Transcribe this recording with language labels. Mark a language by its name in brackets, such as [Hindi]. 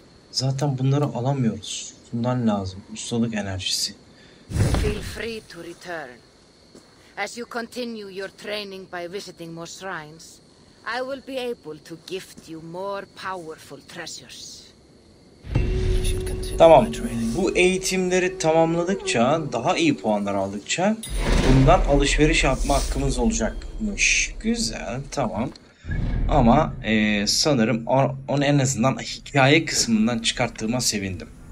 [Turkish] Zaten bunları alamıyoruz. Bundan lazım. Ustalık enerjisi. [English] Feel free to return. As you continue your training by visiting more shrines, I will be able to gift you more powerful treasures. [Turkish] Tamam. Bu eğitimleri tamamladıkça, daha iyi puanlar aldıkça bundan alışveriş yapma hakkımız olacakmış. Güzel, tamam. Ama sanırım onu en azından hikaye kısmından çıkarttığıma sevindim.